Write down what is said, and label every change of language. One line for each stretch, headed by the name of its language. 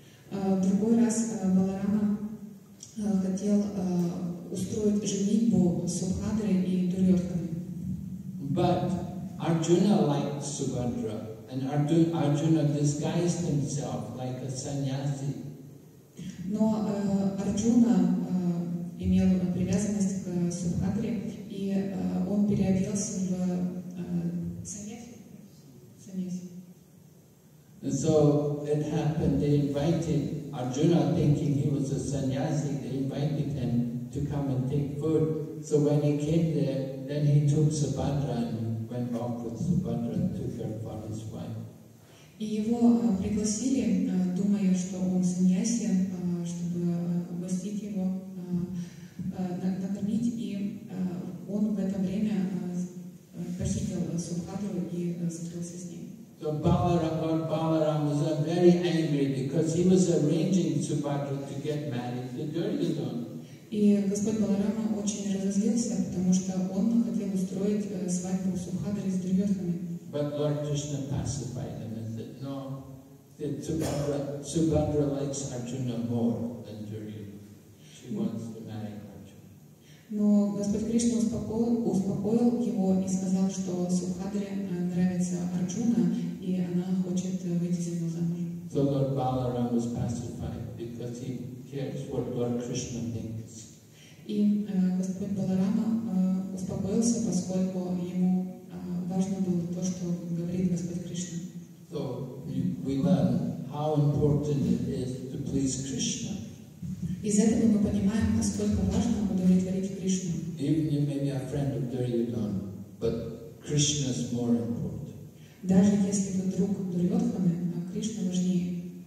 Russian: Другой раз Баларама хотел устроить женитьбу Субхадры и Дурьодханы.
English: But Arjuna liked Subhadra, and Arjuna disguised himself like a sannyasi.
Russian: Но Арджуна имел привязанность к Субхадре, и он переоделся в саньяси.
English: And so it happened, they invited Arjuna, thinking he was a sannyasi, they invited him to come and take food. So when he came there, then he took Subhadra and went off with Subhadra and took her for his wife.
Russian: И его пригласили, думая, что он сannyasi, чтобы угостить его, накормить, и он в это время похитил Субхадру и скрылся с ним.
English: So Balaram was very angry because he was arranging Subhadra to get married to Duryodhana.
Russian: И Господь Баларама очень разозлился, потому что он хотел устроить свадьбу Субхадры с Дурьодханой.
English: But Lord Krishna pacified him and said, no, Subhadra likes Arjuna more than Duryodhana. She wants to marry Arjuna.
Russian: Но Господь Кришна успокоил его и сказал, что Субхадре нравится Арджуна, и она хочет выйти за него замуж.
English: So Lord Balaram was pacified because he cares what Lord Krishna thinks.
Russian: И Господь Баларама успокоился, поскольку ему важно было то, что говорит Господь Кришна.
English: So we learn how important it is to put please Krishna.
Russian: Из этого мы понимаем, насколько важно удовлетворить Кришну.
English: Even you may be a friend of Duryodhana, but Krishna is more important.
Russian: Даже если вы друг Дурьодханы, а Кришна важнее.